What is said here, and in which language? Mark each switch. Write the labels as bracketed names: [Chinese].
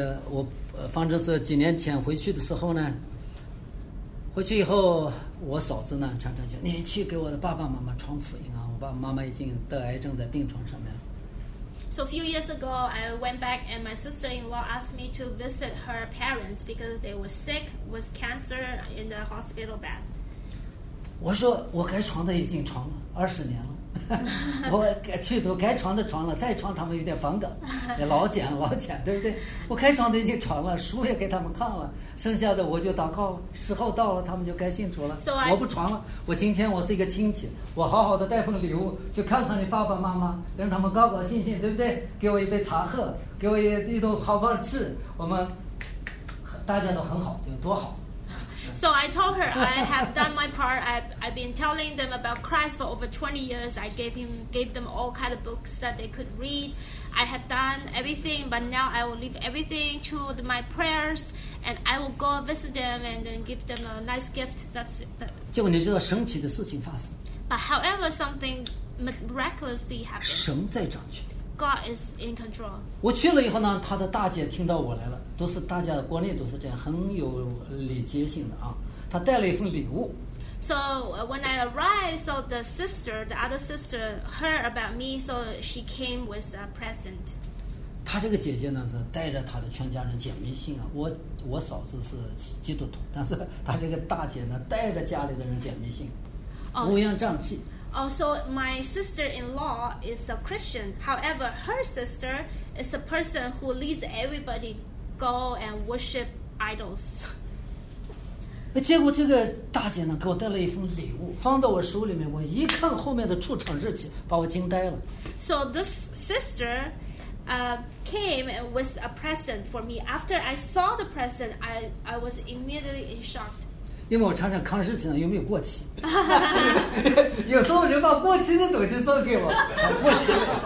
[Chinese] 我反正是几年前回去的时候呢，回去以后，我嫂子呢常常讲：“你去给我的爸爸妈妈传福音啊！我爸爸妈妈已经得癌症在病床上面了。” [English] So a few years ago, I went back, and my sister-in-law asked me to visit her parents because they were sick with cancer in the hospital bed. [Chinese] 我说我该传的已经传了二十年了，我去都该传的传了，再传他们有点反感，也老茧老茧，对不对？我该传的已经传了，书也给他们看了，剩下的我就祷告，时候到了，他们就该信主了。我不传了，我今天我是一个亲戚，我好好的带份礼物去看看你爸爸妈妈，让他们高高兴兴，对不对？给我一杯茶喝，给我一顿好饭吃，我们大家都很好，就多好。 [English] So I told her I have done my part. I've been telling them about Christ for over 20 years. I gave them all kind of books that they could read. I have done everything, but now I will leave everything to my prayers, and I will go visit them and then give them a nice gift. That's it. [Chinese] 结果你知道神奇的事情发生。 [English] But however, something miraculously happened. [Chinese] 神在掌权。 [English] God is in control. [Chinese] 我去了以后呢，他的大姐听到我来了，都是大家国内都是这样，很有礼节性的啊。他带了一份礼物。 [English] So when I arrived, so the other sister heard about me, so she came with a present. [Chinese] 她这个姐姐呢是带着她的全家人姐妹信啊。我嫂子是基督徒，但是她这个大姐呢带着家里的人姐妹信，乌烟瘴气。 [English] Also, my sister-in-law is a Christian. However, her sister is a person who leads everybody go and worship idols. [Chinese] 结果这个大姐呢给我带了一份礼物，放到我手里面，我一看后面的出场日期，把我惊呆了。 [English] So this sister, came with a present for me. After I saw the present, I was immediately in shock. [Chinese] 因为我常常看日期呢有没有过期，有时候人把过期的东西送给我，过期了。